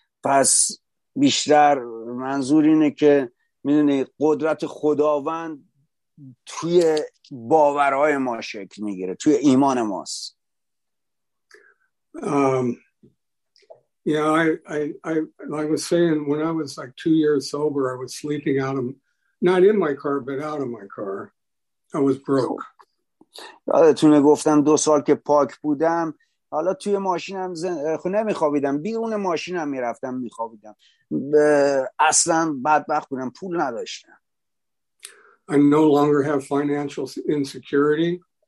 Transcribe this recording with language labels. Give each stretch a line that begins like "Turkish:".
Persian: پس بیشتر منظور اینه که میدونی قدرت خداوند توی باورهای ما شکل میگیره، توی ایمان ماست.
English: I was saying when I was like 2 years sober, I was sleeping not in my car, but out of my car. I was broke.
Persian: یادتون گفتم 2 سال که پاک بودم، حالا توی ماشینم نمیخوابیدم، بیرون ماشینم میرفتم میخوابیدم. اصلا بدبخت بودم، پول نداشتم.
English: I no longer have financial insecurity.